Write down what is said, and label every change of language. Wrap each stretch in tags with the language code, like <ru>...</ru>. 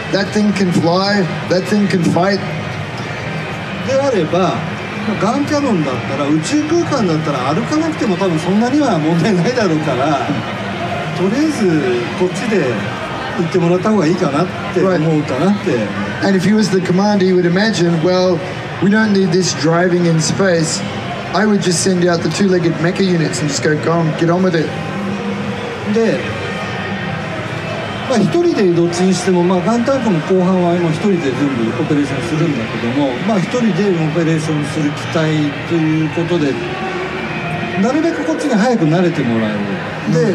<en>That thing can fly? That thing can fight?</en> <ja>であれば、ガンキャノンだったら、宇宙空間だったら歩かなくても多分そんなには問題ないだろうから、とりあえずこっちで行ってもらった方がいいかなって思うかなって。</ja> <en>And if he was the commander, he would imagine, well, we don't need this driving in space. I would just send out the two-legged mecha units and just go, go on, get on with it.</en> <ja>で、まあ一人でどっちにしても、まあガンタンクも後半は今一人で全部オペレーションするんだけども、まあ一人でオペレーションする機体ということで、なるべくこっちに早く慣れてもらえる。</ja>